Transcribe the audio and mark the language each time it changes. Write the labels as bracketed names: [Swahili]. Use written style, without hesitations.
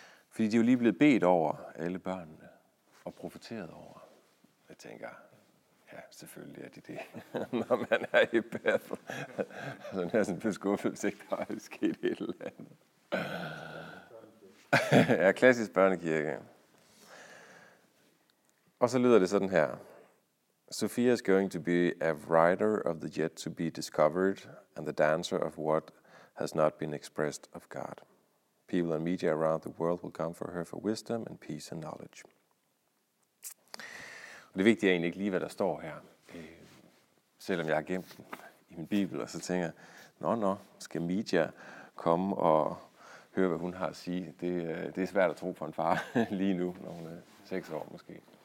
[Danish] Fordi de jo lige blevet bedt over alle børnene og profeteret over. Jeg tænker, ja, selvfølgelig er de det, når man er i Bethel. Så er næsten blevet skuffet, hvis ikke der er sket et eller andet. Ja, klassisk børnekirke. Og så lyder det sådan her. [English] Sophia is going to be a writer of the yet to be discovered and the dancer of what has not been expressed of God. People and media around the world will come for her for wisdom and peace and knowledge. [Danish] Og det vigtige er egentlig ikke lige, hvad der står her. Selvom jeg har gemt den i min bibel, og så tænker jeg, nå, skal media komme og høre, hvad hun har at sige? Det er svært at tro på en far lige nu, når hun er 6 år måske.